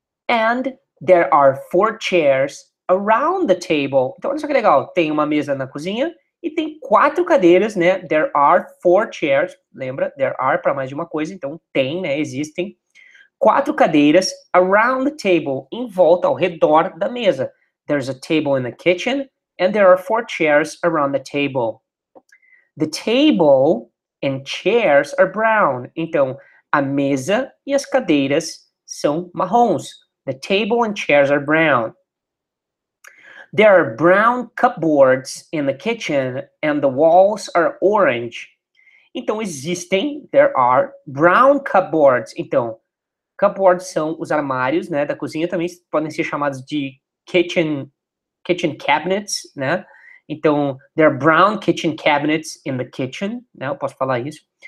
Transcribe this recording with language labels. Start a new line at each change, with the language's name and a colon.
English: And there are four chairs around the table.
Portuguese: Então, olha só que legal. Tem uma mesa na cozinha e tem quatro cadeiras, né?
English: There are four chairs.
Portuguese: Lembra?
English: There are
Portuguese: para mais de uma coisa. Então, tem, né? Existem. Quatro cadeiras
English: around the table,
Portuguese: em volta, ao redor da mesa.
English: There's a table in the kitchen, and there are four chairs around the table. The table and chairs are brown.
Portuguese: Então, a mesa e as cadeiras são marrons.
English: The table and chairs are brown. There are brown cupboards in the kitchen, and the walls are orange.
Portuguese: Então, existem,
English: there are brown cupboards.
Portuguese: Então, cupboards são os armários, né, da cozinha, também podem ser chamados de kitchen cabinets, né?
English: Então, there are brown kitchen cabinets in the kitchen, né?
Portuguese: Eu posso falar isso.